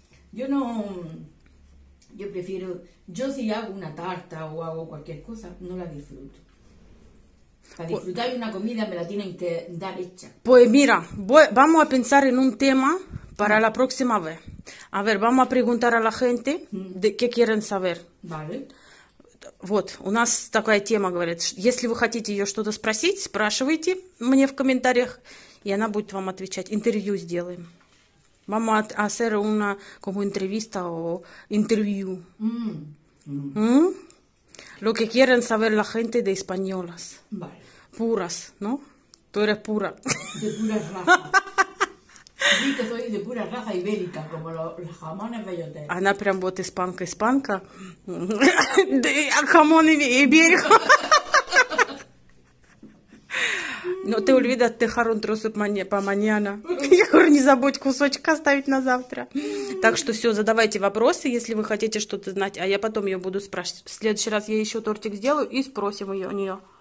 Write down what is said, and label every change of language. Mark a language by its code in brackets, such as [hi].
[es] Yo no, yo prefiero, yo si hago una tarta o hago cualquier cosa, no la disfruto. Para disfrutar una comida me la tienen que dar hecha. Pues mira, vamos a pensar en un tema para la próxima vez. A ver, vamos a preguntar a la gente de qué quieren saber. Vale. [ru] Вот, у нас такая тема, говорит, если вы хотите ее что-то спросить, спрашивайте мне в комментариях, и она будет вам отвечать. Интервью сделаем. [es] Vamos a hacer una como entrevista o interview. Mm. Mm. lo que quieren saber la gente de españolas. Vale. Puras, ¿no? Tú eres pura. De pura raza. Sí, que soy de pura raza ibérica, como los jamones bellotes. [ru] Она прям вот испанка, испанка. [es] De jamón ibérico. [ru] Но ты увидишь, ты харун тросит по маньяна. Я говорю, не забудь кусочек оставить на завтра. Так что все, задавайте вопросы, если вы хотите что-то знать, а я потом ее буду спрашивать. В следующий раз я еще тортик сделаю и спросим ее у нее.